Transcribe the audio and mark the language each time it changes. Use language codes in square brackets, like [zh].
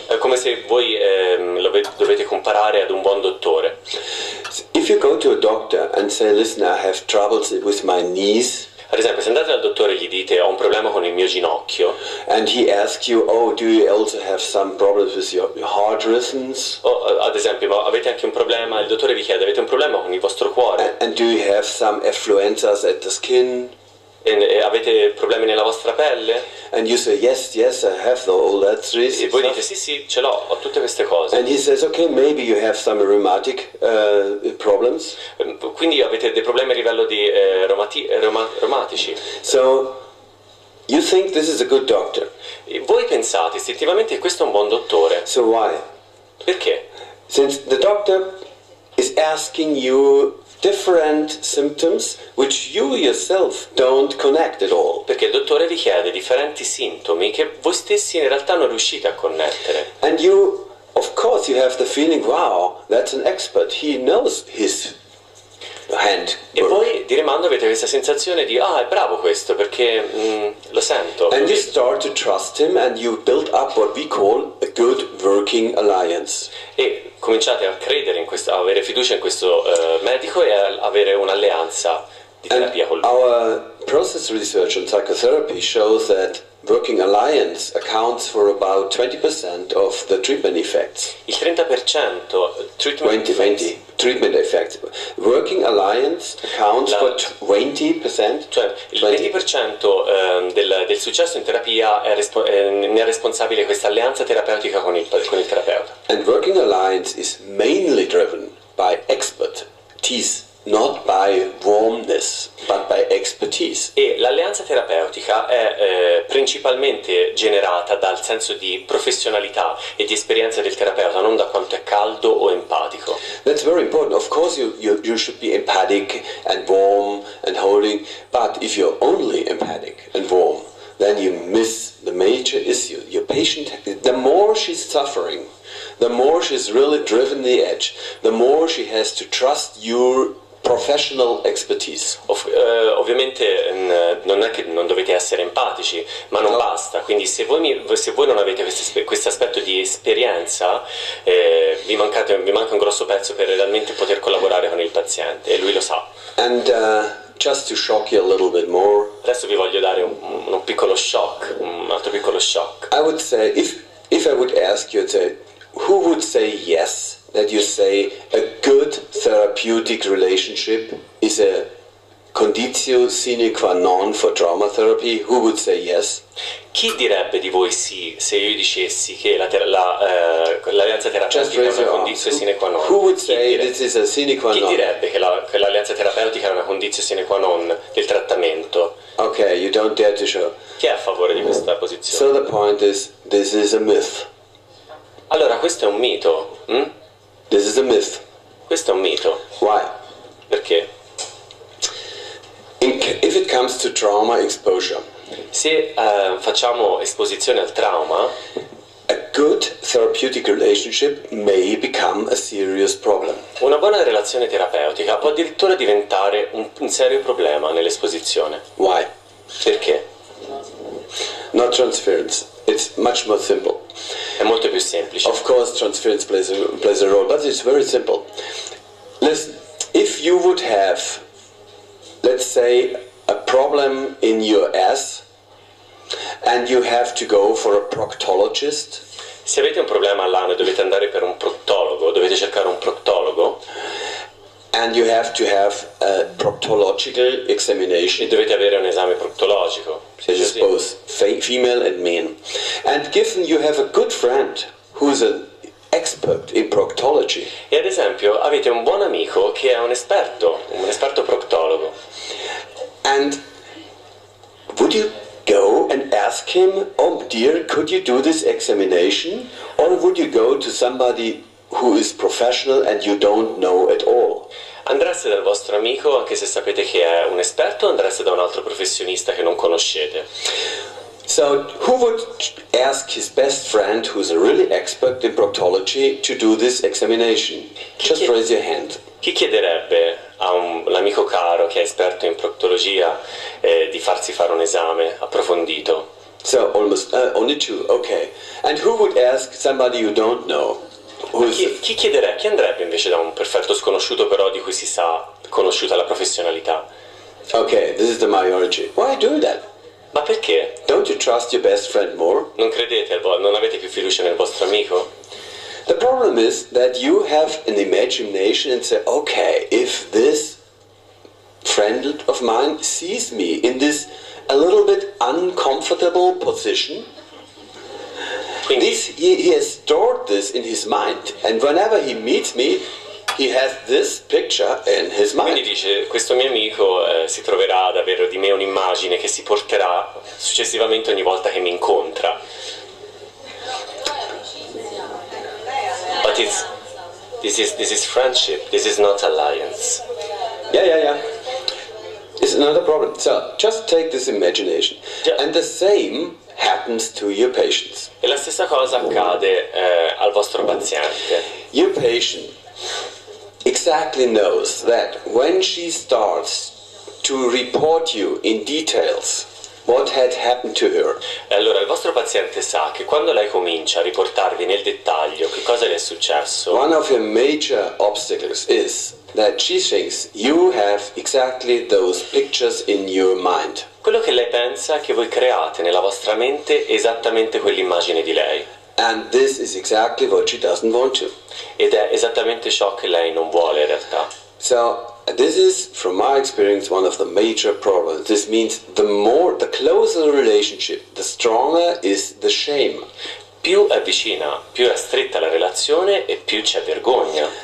[it] È come se voi dovete comparare ad un buon dottore. [en] If you go to a doctor and say, listen, I have troubles with my knees. [it] Ad esempio, se andate dal dottore e gli dite ho un problema con il mio ginocchio. [en] And he asks you, oh, do you also have some problems with your heart rhythms? [it] Oh, ad esempio, ma avete anche un problema? Il dottore vi chiede, avete un problema con il vostro cuore? [en] And do you have some effluences at the skin? [it] E avete problemi nella vostra pelle? [en] And you say, yes, I have all that three. [it] E voi dite, sì, ce l'ho, ho tutte queste cose. [en] And he says, okay, maybe you have some rheumatic problems. [it] Quindi avete dei problemi a livello di reumatici. [en] So, you think this is a good doctor. [it] E voi pensate, istintivamente, questo è un buon dottore. [en] So why? [it] Perché? [en] Since the doctor is asking you different symptoms which you yourself don't connect at all. [it] Perché il dottore vi chiede differenti sintomi che voi stessi in realtà non riuscite a connettere. [en] And you, of course, you have the feeling, wow, that's an expert, he knows his hand. [it] E voi di rimando avete questa sensazione di, ah, è bravo questo, perché lo sento. [en] And you start to trust him and you build up what we call a good working alliance. [it] E cominciate a credere in questo, a avere fiducia in questo medico e a avere un'alleanza di terapia [en] and [it] con lui. [en] Our process research on psychotherapy shows that working alliance accounts for about 20% of the treatment effects. [it] Il 30% treatment [en] 20 treatment effects. Working alliance accounts for 20%. [it] Cioè il 20% del successo in terapia ne è responsabile questa alleanza terapeutica con il terapeuta. [en] And working alliance is mainly driven by expertise. Not by warmness, but by expertise. [it] E l'alleanza terapeutica è principalmente generata dal senso di professionalità e di esperienza del terapeuta, non da quanto è caldo o empatico. [en] That's very important. Of course you should be empathic and warm and holding, but if you're only empathic and warm, then you miss the major issue. Your patient, the more she's suffering, the more she's really driven the edge, the more she has to trust your professional expertise. [it] Ovviamente non è che non dovete essere empatici, ma non basta. Quindi se voi non avete questo aspetto di esperienza, vi manca un grosso pezzo per realmente poter collaborare con il paziente, e lui lo sa. [en] And just to shock you a little bit more. [it] Adesso vi voglio dare un altro piccolo shock. [en] I would say if I would ask you to, who would say yes? That you say a good therapeutic relationship is a conditio sine qua non for trauma therapy, who would say yes? [it] Chi direbbe di voi sì se io dicessi che l'alleanza terapeutica è una condizio sine qua non? [en] Who would say this is a sine qua non? [it] Chi direbbe che l'alleanza terapeutica è una condizio sine qua non del trattamento? [en] Okay, you don't dare to show. [it] Chi è a favore di questa posizione? [en] So the point is, this is a myth. [it] Allora, questo è un mito, [en] This is a myth. [it] Questo è un mito. [en] Why? [it] Perché? [en] If it comes to trauma exposure. [it] Se facciamo esposizione al trauma, [en] a good therapeutic relationship may become a serious problem. [it] Una buona relazione terapeutica può addirittura diventare un serio problema nell'esposizione. [en] Why? [it] Perché? [en] Not transference. It's much more simple. [it] È molto più semplice. [en] Of course, transference plays a role, but it's very simple. Listen, if you would have, let's say, a problem in your ass, and you have to go for a proctologist. [it] Se avete un problema all'ano e dovete andare per un proctologo, dovete cercare un proctologo. [en] And you have to have a proctological examination. [it] E dovete avere un esame proctologico. [en] Which is both female and men. And given you have a good friend who's an expert in proctology. [it] E ad esempio avete un buon amico che è un esperto proctologo. [en] And would you go and ask him, oh dear, could you do this examination? Or would you go to somebody who is professional and you don't know at all? [it] Andreste dal vostro amico, anche se sapete che è un esperto, o andreste da un altro professionista che non conoscete? [en] So, who would ask his best friend, who's a really expert in proctology, to do this examination? Just raise your hand. [it] Chi chiederebbe a un amico caro che è esperto in proctologia di farsi fare un esame approfondito? [en] So, almost, only two, okay. And who would ask somebody you don't know? [it] Chi andrebbe invece da un perfetto sconosciuto però di cui si sa conosciuta la professionalità? [en] Okay, this is the minority. Why do that? [it] Ma perché? [en] Don't you trust your best friend more? [it] Non credete, non avete più fiducia nel vostro amico? [en] The problem is that you have an imagination and say, okay, if this friend of mine sees me in this a little bit uncomfortable position. [it] Quindi, [en] he has stored this in his mind, and whenever he meets me, he has this picture in his mind. [it] Quindi dice, questo mio amico si troverà ad avere di me un'immagine che si porterà successivamente ogni volta che mi incontra. [en] But this is friendship. This is not alliance. Yeah. It's another problem. So just take this imagination, and the same happens to your patients. [it] E la stessa cosa accade al vostro paziente. [en] Your patient exactly knows that when she starts to report you in details what had happened to her. [it] E allora il vostro paziente sa che quando lei comincia a riportarvi nel dettaglio che cosa le è successo. [en] One of her major obstacles is that she thinks you have exactly those pictures in your mind. [it] Quello che lei pensa è che voi create nella vostra mente esattamente quell'immagine di lei. [en] And this is exactly what she doesn't want to. [it] Ed è esattamente ciò che lei non vuole in realtà. [en] So, this is, from my experience, one of the major problems. This means the closer the relationship, the stronger is the shame. [it] Più è vicina, più è stretta la relazione e più c'è vergogna.